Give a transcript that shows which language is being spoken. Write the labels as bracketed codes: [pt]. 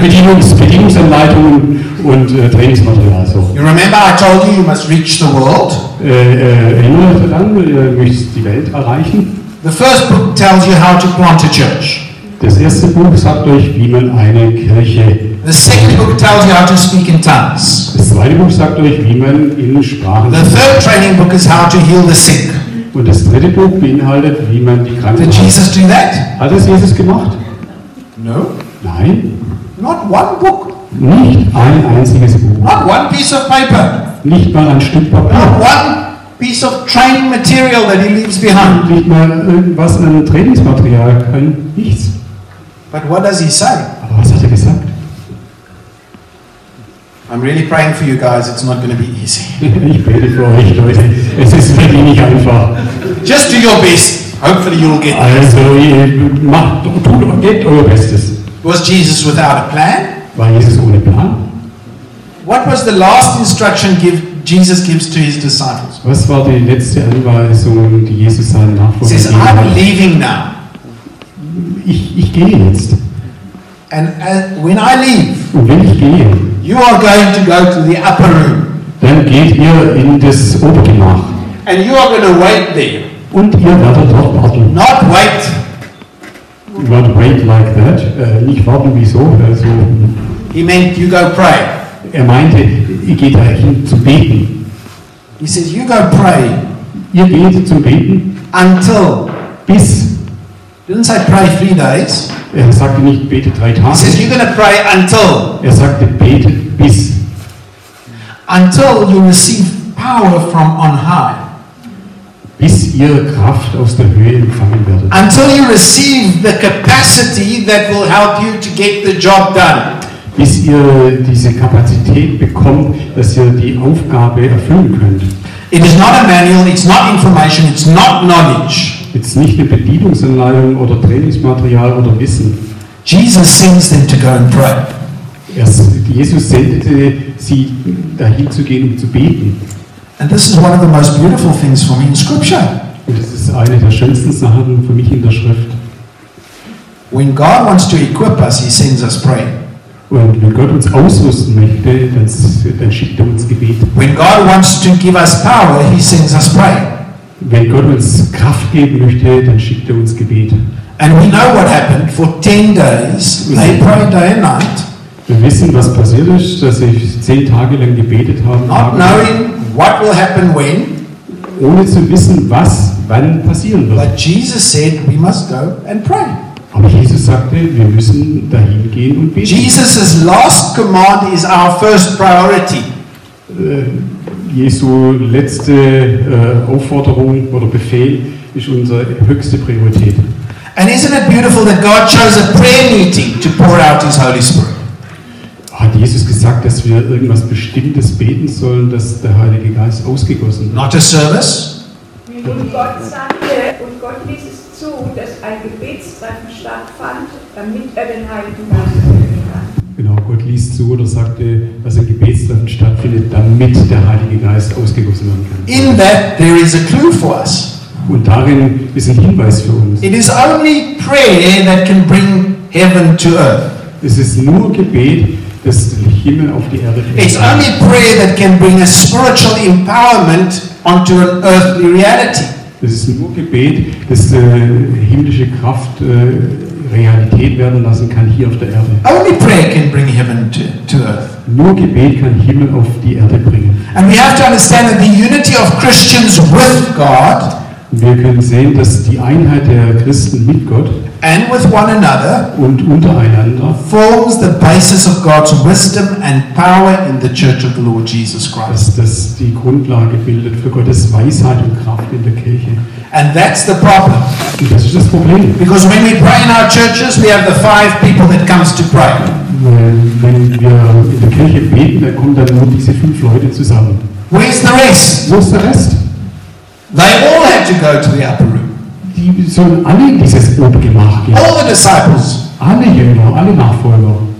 [de] Bedienungsanleitungen und Trainingsmaterial. [en] So. You remember I told you, you must reach the world. [de] Erinnert daran, möchtest die Welt erreichen. [en] The first book tells you how to plant a church. [de] Das erste Buch sagt euch, wie man eine Kirche. [en] The second book tells you how to speak in tongues. [de] Das zweite Buch sagt euch, wie man in Sprachen. [en] The third training book is how to heal the sick. [de] Und das dritte Buch beinhaltet, wie man die Kranken heilt. [en] Did Jesus do that? [de] Hat es Jesus gemacht? [en] No. [de] Nein. [en] Not one book. [de] Nicht ein einziges Buch. [en] Not one piece of paper. [de] Nicht mal ein Stück Papier. [en] Not one piece of training material that he leaves behind. [de] Nicht mal irgendwas an Trainingsmaterial, kein nichts. [en] But what does he say? [de] Aber was hat er gesagt? [en] I'm really praying for you guys. It's not going to be easy. [de] Ich bete für euch, Leute. Es ist wirklich nicht einfach. [en] Just do your best. Hopefully you'll get this. [de] Also, gebt euer Bestes. [en] Was Jesus without a plan? [de] War Jesus ohne Plan? [en] What was the last instruction Jesus gives to his disciples? [de] Was war die letzte Anweisung, die Jesus seinen Nachfolgern gegeben hat? [en] He says, I'm leaving now. [de] Ich gehe jetzt. [en] And when I leave, [de] und wenn ich gehe, [en] you are going to go to the upper room. [de] Dann geht ihr in das Obergemach. [en] And you are going to wait there. [de] Und ihr werdet dort warten. [en] Not wait. Not wait like that. [de] Nicht warten wie so. Also, [en] he meant you go pray. [de] Er meinte, ihr geht dahin zu beten. [en] He says you go pray. [de] Ihr geht zu beten. [en] Until. [de] Bis. [en] Didn't say pray 3 days. [de] Er sagte nicht, bete 3 Tage. [en] He says, you're gonna pray until. [de] Er sagte, bete bis. [en] Until you receive power from on high. [de] Bis ihr Kraft aus der Höhe empfangen werdet. [en] Until you receive the capacity that will help you to get the job done. [de] Bis ihr diese Kapazität bekommt, dass ihr die Aufgabe erfüllen könnt. [en] It is not a manual, it's not information, it's not knowledge. [de] Jetzt nicht eine Bedienungsanleitung oder Trainingsmaterial oder Wissen. [en] Jesus sends them to go and pray. [de] Jesus sendete sie dahin zu gehen, um zu beten. [en] And this is one of the most beautiful things for me in Scripture. [de] Und das ist eine der schönsten Sachen für mich in der Schrift. [en] When God wants to equip us, He sends us pray. [de] Und wenn Gott uns ausrüsten möchte, dann schickt er uns Gebet. [en] When God wants to give us power, He sends us pray. [de] Wenn Gott uns Kraft geben möchte, dann schickt er uns Gebet. [en] And we know what happened. For 10 days, they prayed day and night. [de] Wir wissen, was passiert ist, dass sie 10 Tage lang gebetet haben. [en] Not knowing what will happen when. [de] Ohne zu wissen, was wann passieren wird. [en] But Jesus said, we must go and pray. [de] Aber Jesus sagte, wir müssen dahin gehen und beten. [en] Jesus' last command is our first priority. [de] Jesu letzte Aufforderung oder Befehl ist unsere höchste Priorität. [en] And isn't it beautiful that God chose a prayer meeting to pour out His Holy Spirit? [de] Hat Jesus gesagt, dass wir irgendwas Bestimmtes beten sollen, dass der Heilige Geist ausgegossen wird? [en] Not a service. [de] Wir wollen Gott danken und Gott dieses zu, dass ein Gebetstreffen stattfand, damit er den Heiligen Geist empfangen kann. Genau, Gott ließ zu oder sagte, dass ein Gebetstreffen stattfindet, damit der Heilige Geist ausgegossen werden kann. [en] In that there is a clue for us. [de] Und darin ist ein Hinweis für uns. [en] It is only prayer that can bring heaven to earth. [de] Es ist nur Gebet, das den Himmel auf die Erde bringt. [en] It's only prayer that can bring a spiritual empowerment onto an earthly reality. [de] Es ist nur Gebet, das himmlische Kraft Realität werden lassen kann hier auf der Erde. [en] Only prayer can bring heaven to earth. [de] Nur Gebet kann Himmel auf die Erde bringen. [en] And we have to understand that the unity of Christians with God. [de] Wir können sehen, dass die Einheit der Christen mit Gott [en] and with one another [de] und untereinander [en] forms the basis of God's wisdom and power in the Church of the Lord Jesus Christ. [de] Dass das die Grundlage bildet für Gottes Weisheit und Kraft in der Kirche. [en] And that's the problem. [de] Und das ist das Problem. [en] Because when we pray in our churches, we have the five people that comes to pray. [de] Wenn wir in der Kirche beten, dann kommen dann nur diese fünf Leute zusammen. [en] Where's the rest? [de] Wo ist der Rest? [en] They all had to go to the upper room. [de] Die sollen alle in dieses Obergemach gehen. [en] All the disciples. [de] Alle Jünger, alle Nachfolger.